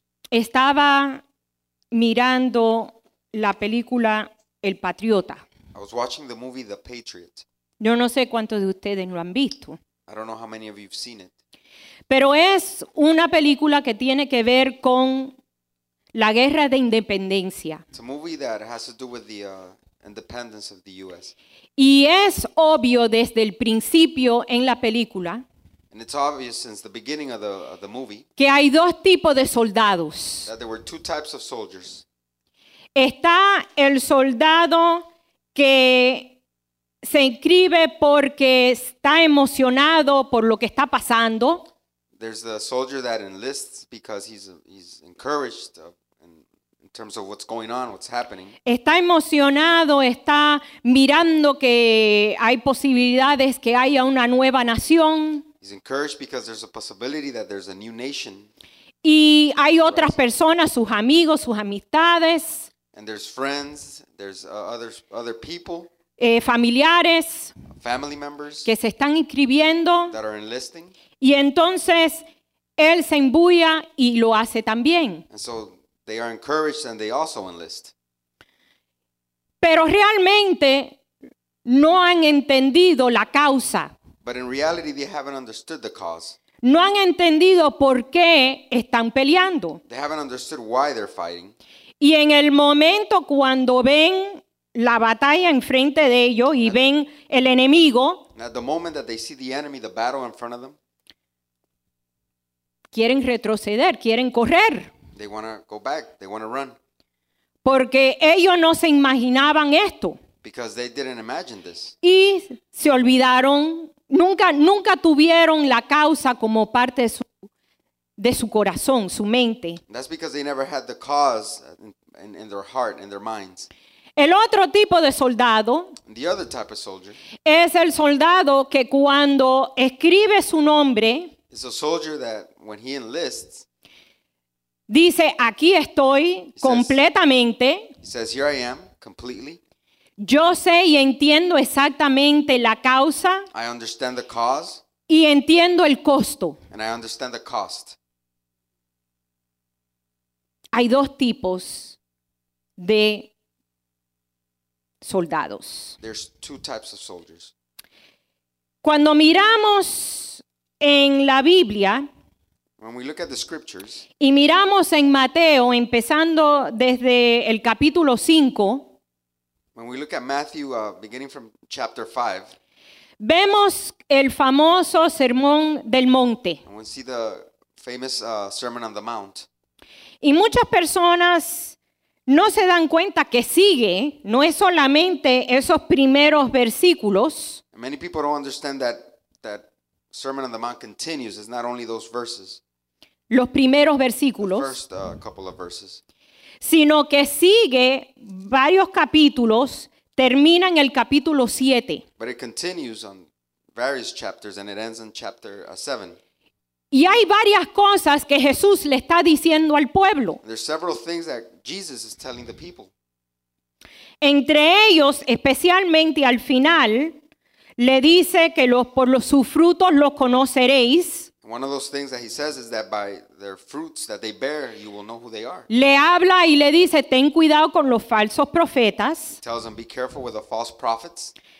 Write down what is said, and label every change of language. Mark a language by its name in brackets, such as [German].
[Spanish] estaba mirando la película El Patriota. [English] I was watching the movie The Patriot. [Spanish] Yo no sé cuántos de ustedes lo han visto. [English] I don't know how many of you have seen it. [Spanish] Pero es una película que tiene que ver con la guerra de independencia. [English] It's a movie that has to do with the independence of the U.S. [Spanish] Y es obvio desde el principio en la película. [English] And it's obvious since the beginning of the movie. [Spanish] Que hay dos tipos de soldados. [English] That there were two types of soldiers. [Spanish] Está el soldado que se inscribe porque está emocionado por lo que está pasando. [English] There's the soldier that enlists because he's encouraged in terms of what's going on, what's happening. [Spanish] Está emocionado, está mirando que hay posibilidades que haya una nueva nación. [English] He's encouraged because there's a possibility that there's a new nation. [Spanish] Y hay otras personas, sus amigos, sus amistades. [English] And there's friends, there's other people. [Spanish] Familiares. [English] Family members. [Spanish] Que se están inscribiendo. [English] That are enlisting. [Spanish] Y entonces, él se embulla y lo hace también. [English] And so, they are encouraged and they also enlist. [Spanish] Pero realmente, no han entendido la causa. [English] But in reality, they haven't understood the cause. [Spanish] No han entendido por qué están peleando. [English] They haven't understood why they're fighting. [Spanish] Y en el momento cuando ven la batalla enfrente de ellos y ven el enemigo, [English] at the moment that they see the enemy, the battle in front of them, [Spanish] quieren retroceder, quieren correr. [English] They want to go back, they want to run. [Spanish] Porque ellos no se imaginaban esto. [English] Because they didn't imagine this. [Spanish] Y se olvidaron, nunca tuvieron la causa como parte de su corazón, su mente. [English] That's because they never had the cause in their heart, in their minds. [Spanish] El otro tipo de soldado, [English] the other type of soldier, [Spanish] es el soldado que cuando escribe su nombre, [English] is a soldier that when he enlists, [Spanish] dice, aquí estoy completamente. [English] He says, here I am, completely. [Spanish] Yo sé y entiendo exactamente la causa. [English] I understand the cause. [Spanish] Y entiendo el costo. [English] And I understand the cost. [Spanish] Hay dos tipos de soldados. [English] There's two types of soldiers. [Spanish] Cuando miramos en la Biblia, [English] when we look at the scriptures, [Spanish] y miramos en Mateo, empezando desde el capítulo 5, [English] when we look at Matthew, beginning from chapter 5, [Spanish] vemos el famoso Sermón del Monte. [English] And we see the famous Sermon on the Mount. [Spanish] Y muchas personas no se dan cuenta que sigue, no es solamente esos primeros versículos. [English] Many people don't understand that Sermon on the Mount continues. It's not only those verses. [Spanish] Los primeros versículos. [English] The first couple of verses. [Spanish] Sino que sigue varios capítulos, termina en el capítulo 7. [English] But it continues on various chapters and it ends in chapter 7. [Spanish] Y hay varias cosas que Jesús le está diciendo al pueblo. [English] There's several things that Jesus is telling the people. [Spanish] Entre ellos, especialmente al final, le dice que por los sus frutos los conoceréis. [English] One of those things that he says is that by their fruits that they bear, you will know who they are. [Spanish] Le habla y le dice, ten cuidado con los falsos profetas. [English] He tells them, be careful with the false prophets.